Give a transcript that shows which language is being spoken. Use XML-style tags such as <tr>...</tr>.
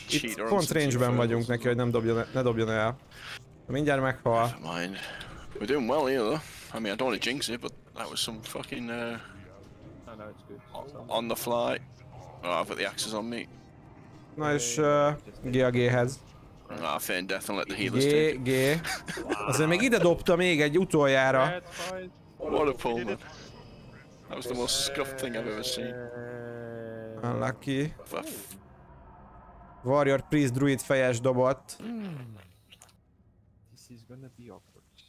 <hu>Itt pont range-ben vagyunk neki, hogy ne dobjon el. Mindjárt meghal.</hu> <en>Never mind. We're doing well here though. I mean, I don't want to jinx it, but that was some fucking, I know, it's good. On the fly. Oh, I've got the axes on me.</en> <hu>Nice, GAG-hez.</hu> <en>Ah, I feign death and let the healers take it. GAG.</en> <hu>Azért még ide dobta még egy utoljára.</hu> <en>What a pull, man. That was the most scuffed thing I've ever seen. Unlucky.</en> <hu>Warrior Priest Druid fejes dobott.</hu> <en>This is gonna be awkward.</en>